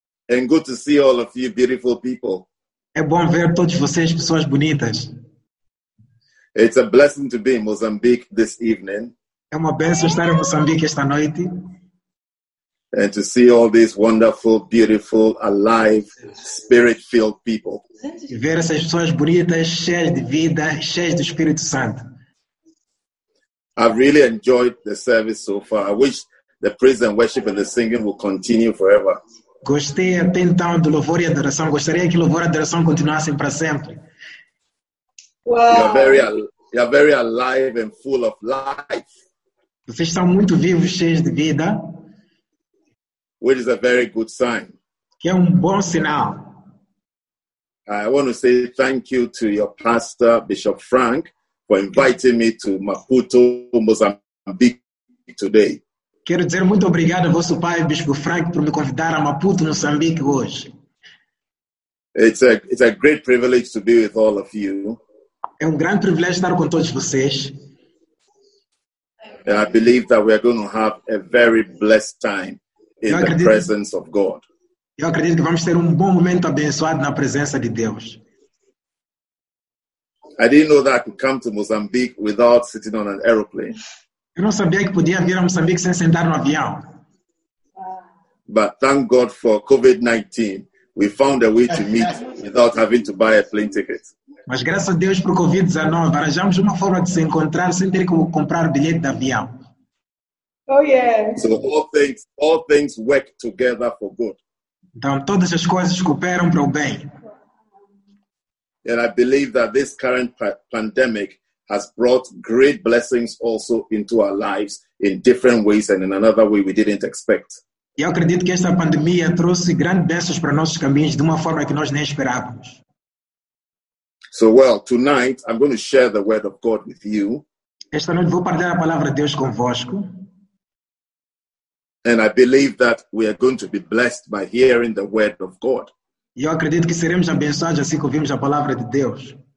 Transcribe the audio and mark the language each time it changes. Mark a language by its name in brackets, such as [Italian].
[English] And good to see all of you beautiful people. [Portuguese] É bom ver todos vocês, pessoas bonitas. [English] It's a blessing to be in Mozambique this evening. [Portuguese] É uma bênção estar em Moçambique esta noite. [English] And to see all these wonderful, beautiful, alive, spirit-filled people. [Portuguese] E ver essas pessoas bonitas, cheias de vida, cheias do Espírito Santo. [English] I've really enjoyed the service so far. I wish the praise and worship and the singing will continue forever. [Portuguese] Gostei até então do louvor e adoração. Gostaria que o louvor e adoração continuassem para sempre. [English] Wow. You are very alive and full of life. [Portuguese] Vocês estão muito vivos, cheios de vida. [English] Which is a very good sign. [Portuguese] Que é bom sinal. [English] I want to say thank you to your pastor, Bishop Frank, for inviting me to Maputo, Mozambique today. [Portuguese] Quero dizer muito obrigado ao vosso pai, Bispo Frank, por me convidar a Maputo, Moçambique hoje. [English] It's a great privilege to be with all of you. [Portuguese] É grande privilégio estar com todos vocês. [English] And I believe that we are going to have a very blessed time in the presence of God. [Portuguese] Eu acredito que vamos ter bom momento abençoado na presença de Deus. [English] I didn't know that I could come to Mozambique without sitting on an aeroplane. [Portuguese] Eu não sabia que podia vir a Moçambique sem sentar no avião. [English] But thank God for COVID-19. We found a way to meet without having to buy a plane ticket. [Portuguese] Mas graças a Deus para o COVID-19, arranjamos uma forma de se encontrar sem ter que comprar bilhete de avião. [English] Oh, yeah. So all things work together for good. [Portuguese] Então, todas as coisas cooperam para o bem. [English] And I believe that this current pandemic has brought great blessings also into our lives in different ways and in another way we didn't expect. [Portuguese] Eu acredito que esta pandemia trouxe grandes bênçãos para nossos caminhos de uma forma que nós nem esperávamos. [English] So well, tonight I'm going to share the word of God with you. [Portuguese] Esta noite vou partilhar a palavra de Deus convosco. [English] And I believe that we are going to be blessed by hearing the word of God. [Portuguese] Eu acredito que seremos abençoados assim que ouvirmos a palavra de Deus.